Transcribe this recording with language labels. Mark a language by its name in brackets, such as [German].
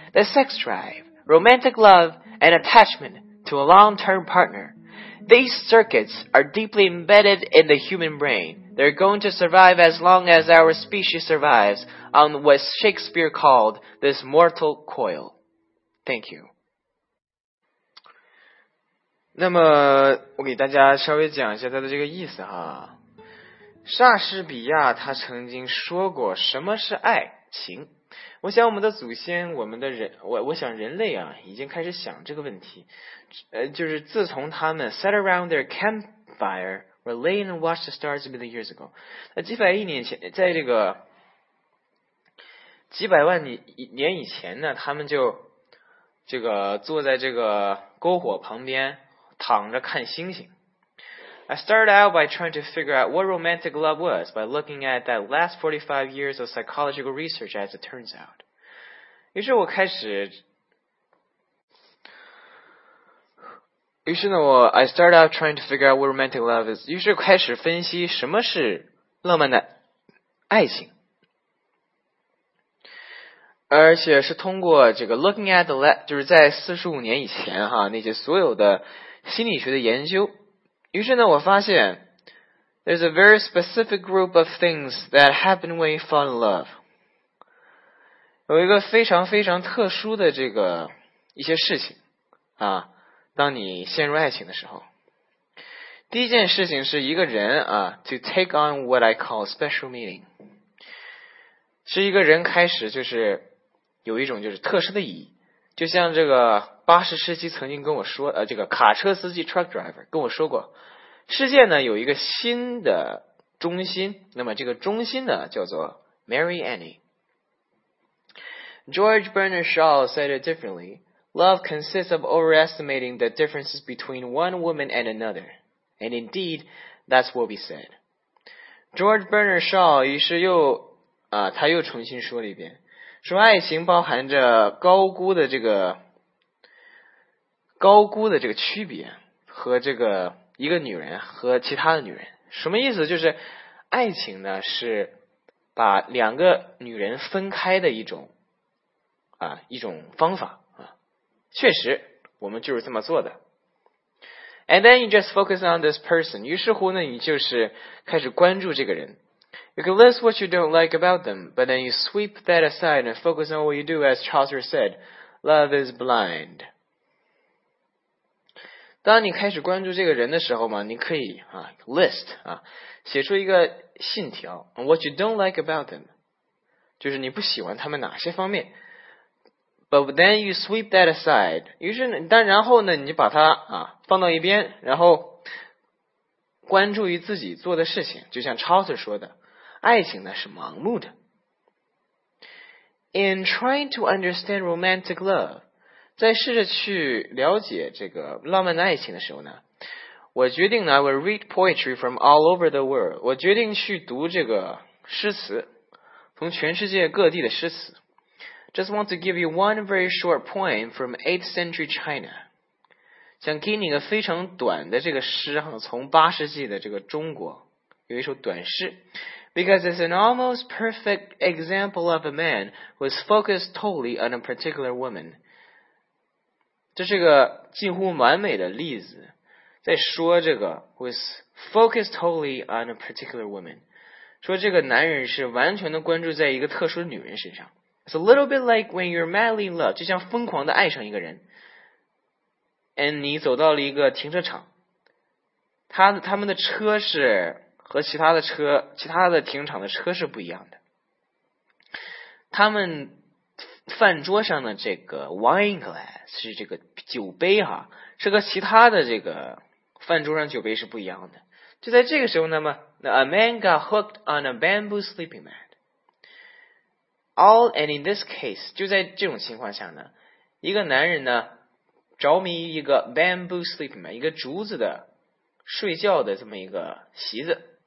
[English] The sex drive, romantic love, and attachment to a long-term partner. These circuits are deeply embedded in the human brain. They're going to survive as long as our species survives on what Shakespeare called this mortal coil. Thank you. [Chinese] 那么我给大家稍微讲一下它的这个意思哈。莎士比亚他曾经说过什么是爱情。我想我们的祖先我们的人 我想人类啊已经开始想这个问题。就是自从他们 [English] sat around their campfire,We lay and watch the stars a million years ago. [Chinese] 几百亿年前，在这个几百万年以前呢，他们就这个坐在这个篝火旁边躺着看星星。 [English] I started out by trying to figure out what romantic love was by looking at that last 45 years of psychological research. As it turns out, [Chinese] 于是我开始。于是呢，我 [English] I start out trying to figure out what romantic love is. [Chinese] 于是开始分析什么是浪漫的爱情，而且是通过这个 [English] looking at the last [Chinese] 就是在45年以前哈那些所有的心理学的研究。于是呢，我发现 [English] there's a very specific group of things that happen when you fall in love. [Chinese] 有一个非常非常特殊的这个一些事情啊。当你陷入爱情的时候，第一件事情是一个人啊 ， [English] to take on what I call special meaning， [Chinese] 是一个人开始就是有一种就是特殊的意义，就像这个80世纪曾经跟我说，这个卡车司机 truck driver 跟我说过，世界呢有一个新的中心，那么这个中心呢叫做 Mary Annie。 [English] George Bernard Shaw said it differently. Love consists of overestimating the differences between one woman and another. And indeed, that's what we said. [Chinese] George Bernard Shaw, 于是又、啊、他又重新说了一遍，说爱情包含着高估的这个区别和这个一个女人和其他的女人。什么意思？就是爱情呢是把两个女人分开的一种方法。确实，我们就是这么做的。 [English] And then you just focus on this person. [Chinese] 于是乎呢，你就是开始关注这个人。 [English] You can list what you don't like about them, but then you sweep that aside and focus on what you do. As Chaucer said, love is blind. [Chinese] 当你开始关注这个人的时候嘛，你可以啊 list 啊，写出一个信条 [English] on what you don't like about them， [Chinese] 就是你不喜欢他们哪些方面。 [English] But then you sweep that aside. [Chinese] 于是但然后呢，你就把它啊放到一边，然后关注于自己做的事情。就像 Chaucer 说的，爱情呢是盲目的。 [English] In trying to understand romantic love， [Chinese] 在试着去了解这个浪漫的爱情的时候呢，我决定呢 ， [English] will read poetry from all over the world。 [Chinese] 我决定去读这个诗词，从全世界各地的诗词。 [English] Just want to give you one very short poem from 8th century China. [Chinese] 想给你个非常短的这个诗哈，从八世纪的这个中国有一首短诗。 [English] Because it's an almost perfect example of a man who is focused totally on a particular woman. [Chinese] 这是个近乎完美的例子，在说这个 [English] who is focused totally on a particular woman. [Chinese] 说这个男人是完全的关注在一个特殊的女人身上。 [English] It's a little bit like when you're madly in love, [Chinese] 就像疯狂的爱上一个人。 And 你走到了一个停车场。他们的车是和其他的停车场的车是不一样的。他们饭桌上的这个 wine glass, 是这个酒杯哈，是和其他的这个饭桌上酒杯是不一样的。就在这个时候呢嘛 [English] ,a man got hooked on a bamboo sleeping mat. All and in this case, [Chinese] 就在这种情况下呢，一个男人呢着迷一个 bamboo sleeping mat, 一个竹子的睡觉的这么一个席子。